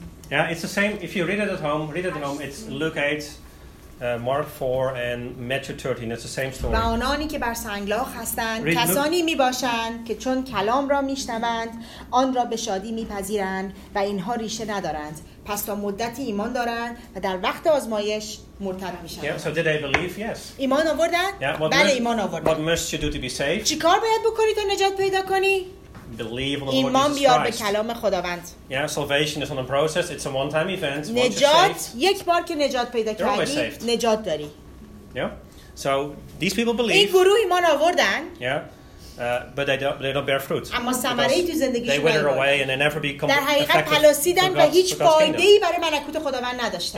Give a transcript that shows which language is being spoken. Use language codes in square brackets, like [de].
[en] yeah it's the same if you read it at home it's Luke 8 Mark 4 and Matthew 13 it's the same story. [fa] و آنانی که بر سنگلاخ هستند کسانی میباشند که چون کلام را میشنوند آن را به شادی میپذیرند و اینها ریشه ندارند پس تا مدتی ایمان دارند و در وقت آزمایش مرتد میشوند. [en] Yeah, so did they believe? Yes. [fa] ایمان آوردند؟ بله ایمان آوردند. [en] What must you do to be saved? [fa] چیکار باید بکنی تا نجات پیدا کنی؟ [en] Believe on the Lord [fa] ایمان بیار به کلام خداوند. [en] Yeah, salvation is on a process. It's a one-time event. [fa] نجات یک بار که نجات پیدا کردی نجات داری. [en] Yeah. So these people believe. [fa] این گروه ایمان آوردن. [en] Yeah. But they don't bear fruit. [fa] اما ثمره‌ای تو زندگیشون نداشتن. [en] They wither away and they never become [fa] در حقیقت پلاسیدن و هیچ فایده‌ای برای ملکوت خداوند نداشتن.